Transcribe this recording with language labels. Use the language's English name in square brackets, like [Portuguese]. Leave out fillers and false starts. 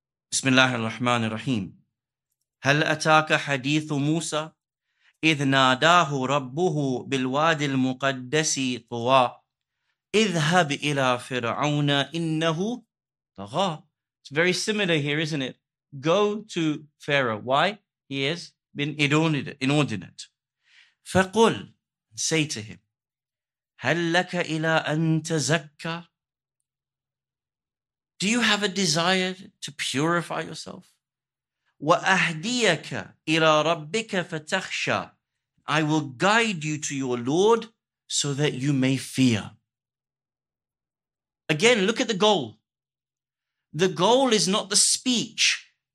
[Arabic] Bismillah ar-Rahman ar-Rahim. هَلْ أَتَاكَ حَدِيثُ مُوسَى إِذْ نَادَاهُ رَبُّهُ بِالْوَادِ الْمُقَدَّسِ طُوَى اِذْهَبْ إِلَى فِرْعَوْنَ إِنَّهُ طَغَى. [English] It's very similar here, isn't it? Go to Pharaoh. Why? He has been inordinate. [Arabic] فَقُلْ, [English] say to him, [Arabic] هَلْ لَكَ إِلَىٰ أَن تَزَكَّى. [English] Do you have a desire to purify yourself? [Arabic] وَأَهْدِيَكَ إِلَىٰ رَبِّكَ فَتَخْشَى. [English] I will guide you to your Lord so that you may fear. Again, look at the goal. The goal is not the speech.